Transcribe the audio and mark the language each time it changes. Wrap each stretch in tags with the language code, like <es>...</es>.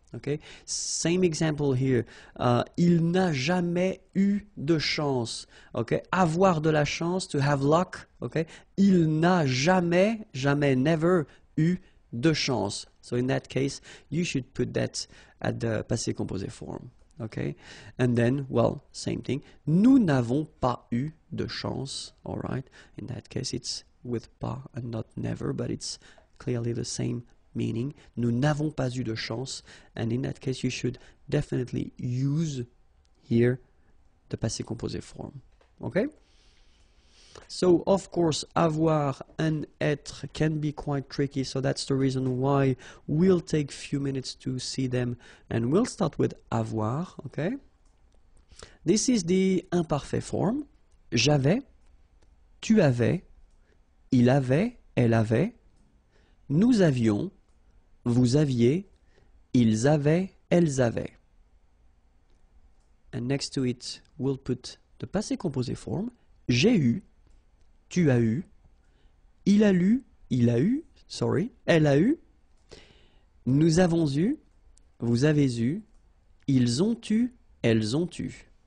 <en>Okay, same example here.</en> <fr>Il n'a jamais eu de chance.</fr> <en>Okay,</en> <fr>avoir de la chance,</fr> <en>to have luck. Okay,</en> <fr>il n'a jamais,</fr> <en>never</en> <fr>eu de chance.</fr> <en>So in that case, you should put that at the passé composé form. Okay, and then, well, same thing.</en> <fr>Nous n'avons pas eu de chance, all right?</fr> <en>In that case, it's with pas and not never, but it's clearly the same meaning.</en> <fr>Nous n'avons pas eu de chance.</fr> <en>And in that case, you should definitely use here the passé composé form, okay? So, of course, avoir and être can be quite tricky, so that's the reason why we'll take a few minutes to see them. And we'll start with avoir, okay? This is the imparfait form.</en> <fr>J'avais, tu avais, il avait, elle avait, nous avions, vous aviez, ils avaient, elles avaient.</fr> <en>And next to it, we'll put the passé composé form.</en> <fr>J'ai eu. Tu as eu, il a lu, il a eu,</fr> <en>sorry,</en> <fr>elle a eu, nous avons eu, vous avez eu, ils ont eu, elles ont eu.</fr>